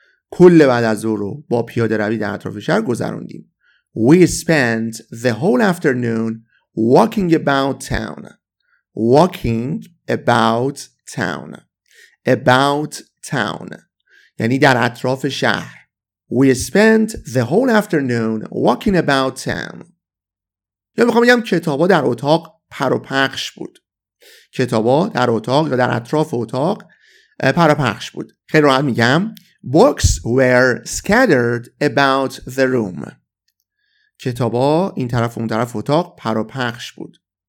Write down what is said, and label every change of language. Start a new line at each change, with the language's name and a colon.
Persian: کل بعد از ظهر رو با پیاده روی در اطراف شهر گذروندیم.
English: We spent the whole afternoon walking about town. Walking about town. About town
Persian: یعنی در اطراف شهر.
English: We spent the whole afternoon walking about town.
Persian: یا میخوام بگم کتابا در اتاق پر و پخش بود. کتابا در اتاق یا در اطراف اتاق پر و پخش بود. خیلی راحت میگم
English: Books were scattered about the room.
Persian: کتابا این طرف و اون طرف اتاق پر و پخش بود.